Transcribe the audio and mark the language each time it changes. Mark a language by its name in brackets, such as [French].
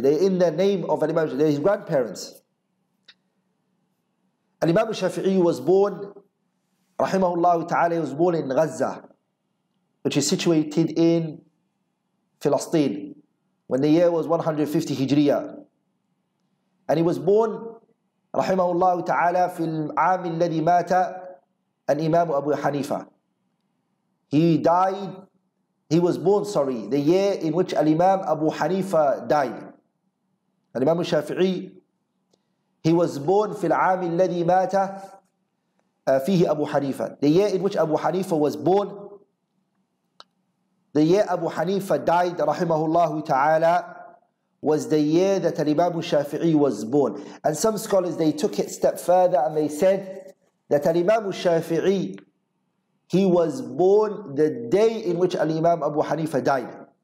[English] They're in the name of Al-Imam Shafi'i. They're his grandparents. Al-Imam Shafi'i was born, rahimahullah ta'ala, he was born in Gaza, which is situated in Palestine, when the year was 150 Hijriya. And he was born, rahimahullah ta'ala, [Arabic] في العام الذي مات الإمام أبو حنيفة. [English] He was born, the year in which Al-Imam Abu Hanifa died. Al-Imam Shafi'i, he was born [Arabic] في العام الذي مات فيه أبو حنيفة. [English] The year in which Abu Hanifa was born, the year Abu Hanifa died, rahimahullah ta'ala, was the year that Al-Imam Shafi'i was born. And some scholars, they took it a step further and they said that Al-Imam Shafi'i, he was born the day in which Al-Imam Abu Hanifa died.